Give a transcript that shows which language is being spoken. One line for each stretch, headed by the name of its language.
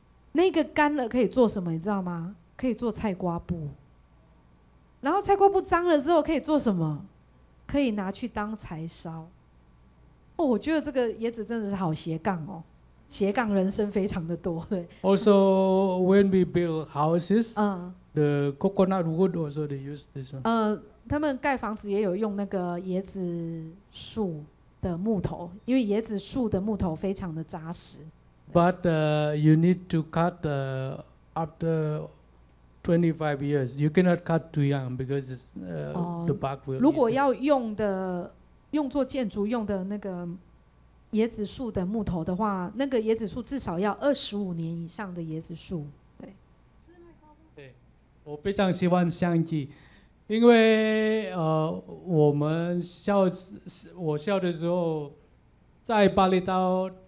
Chinese: 那个干了可以做什么你知道吗？可以做菜瓜布。然后菜瓜布脏了之后可以做什么？可以拿去当柴烧。哦，我觉得这个椰子真的是好斜杠哦，斜杠人生非常的多。对，
English: Also when we build houses, the coconut wood also they use this one.
Chinese: 他们盖房子也有用那个椰子树的木头，因为椰子树的木头非常的扎实。
English: But you need to cut after 25 years. You cannot cut too young because it's, the bark will.
Chinese: 如果要用作建筑用的那个椰子树的木头的话，那个椰子树至少要25年以上的椰子树。对，我非常喜欢相机，因为我们笑我笑的时候，在巴厘岛。